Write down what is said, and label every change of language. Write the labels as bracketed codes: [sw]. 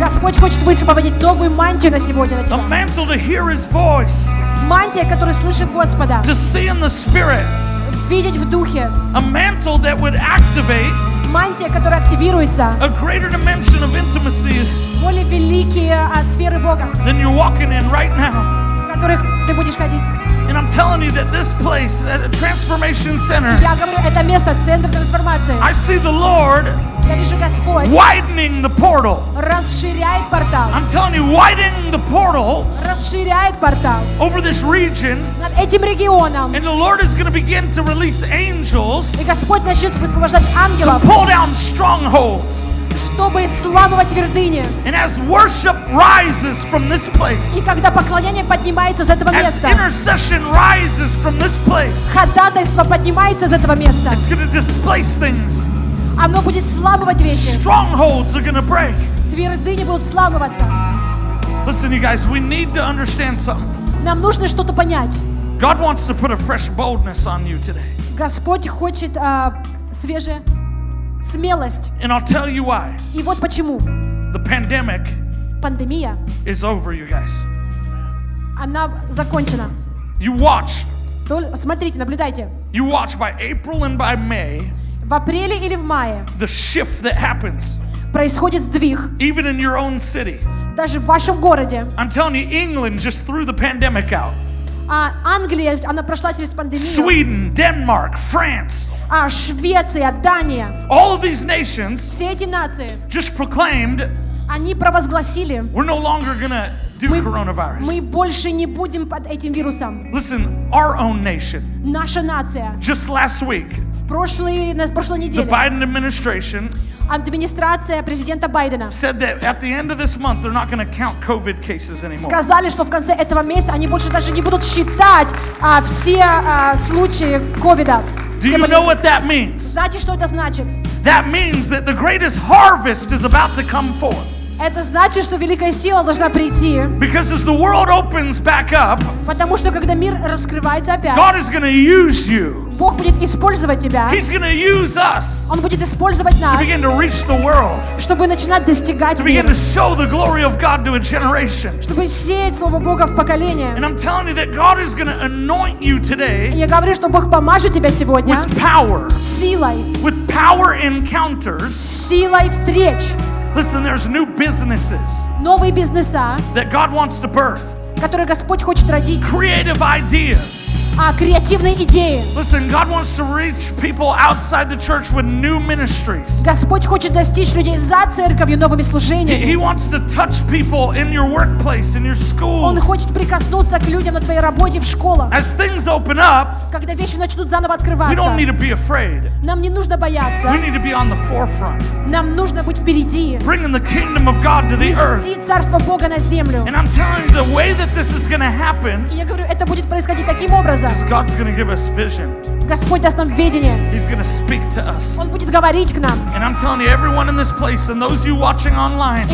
[ru] Господь хочет высвободить новую мантию на сегодня на тебя. [en] A mantle to hear His voice. [ru] Мантия, которая слышит Господа. [en] To see in the Spirit. [ru] Видеть в духе. [en] A mantle that would activate. [ru] Мантия, которая активируется. [en] A greater dimension of intimacy. [ru] Более великие сферы Бога. [en] Than you're walking in right now. [ru] Которых ты будешь ходить. [en] And I'm telling you that this place, that transformation center, [ru] я говорю, это место, центр трансформации. [en] I see the Lord widening the portal. [ru] Расширяет портал. [en] I'm telling you, widening the portal. [ru] Расширяет портал. [en] Over this region. [ru] Над этим регионом. [en] And the Lord is going to begin to release angels. [ru] И Господь начнет высвобождать ангелов. [en] To pull down strongholds. [ru] Чтобы сломать твердыни. [en] And as worship rises from this place, [ru] и когда поклонение поднимается с этого места, [en] as intercession rises from this place, [ru] ходатайство поднимается с этого места, [en] it's going to displace things. [ru] Оно будет сламывать вещи. [en] Strongholds are going to break. [ru] Твердыни будут сламываться. [en] Listen, you guys, we need to understand something. [ru] Нам нужно что-то понять. [en] God wants to put a fresh boldness on you today. [ru] Господь хочет свежее. Смелость. [en] And I'll tell you why. [ru] И вот почему. [en] The pandemic. [ru] Пандемия. [en] Is over, you guys. [ru] Она закончена. [en] You watch. [ru] Смотрите, наблюдайте. [en] You watch by April and by May. [ru] В апреле или в мае. [en] The shift that happens. [ru] Происходит сдвиг. [en] Even in your own city. [ru] Даже в вашем городе. [en] I'm telling you, England just threw the pandemic out. [ru] Англия, она прошла через пандемию. [en] Sweden, Denmark, France. [ru] Швеция, Дания. [en] All of these nations. [ru] Все эти нации. [en] Just proclaimed. [ru] Они провозгласили. [en] We're no longer gonna do coronavirus. [ru] Мы больше не будем под этим вирусом. [en] Listen, our own nation. [ru] Наша нация. [en] Just last week. [ru] В прошлой неделе. [en] The Biden administration. [ru] администрация президента Байдена [en] said that at the end of this month they're not going to count COVID cases anymore. [ru] Сказали, что в конце этого месяца они больше даже не будут считать все случаи ковида. [en] Do you know what that means? [ru] Знаете, что это значит? [en] That means that the greatest harvest is about to come forth. [ru] Это значит, что великая сила должна прийти. [en] Because as the world opens back up, [ru] потому что когда мир раскрывается опять, [en] God is going to use you. [ru] Бог будет использовать тебя. [en] He's going to use us. [ru] Он будет использовать нас. [en] To begin to reach the world. [ru] Чтобы начинать достигать мира. [en] To begin to show the glory of God to a generation. [ru] Чтобы сеять слово Бога в поколение. [en] And I'm telling you that God is going to anoint you today. [ru] Я говорю, что Бог помажет тебя сегодня. [en] With power. [ru] Силой. [en] With power encounters. [ru] Силой встреч. [en] Listen, there's new businesses. [ru] Новые бизнеса. [en] That God wants to birth. [ru] Которые Господь хочет родить. [en] Creative ideas. [ru] Креативные идеи. [en] Listen, God wants to reach people outside the church with new ministries. [ru] Господь хочет достичь людей за церковью новыми служениями. [en] He wants to touch people in your workplace, in your schools. [ru] Он хочет прикоснуться к людям на твоей работе, в школах. [en] As things open up, [ru] когда вещи начнут заново открываться, [en] we don't need to be afraid. [ru] Нам не нужно бояться. [en] We need to be on the forefront. [ru] Нам нужно быть впереди. [en] Bringing the kingdom of God to the earth. [ru] Нести царство Бога на землю. [en] And I'm telling you, the way that this is going to happen. [ru] Я говорю, это будет происходить таким образом. [en] Is God's going to give us vision. [ru] Господь даст нам видение. [en] He's going to speak to us. [ru] Он будет говорить к нам. [en] And I'm telling you, everyone in this place and those of you watching online.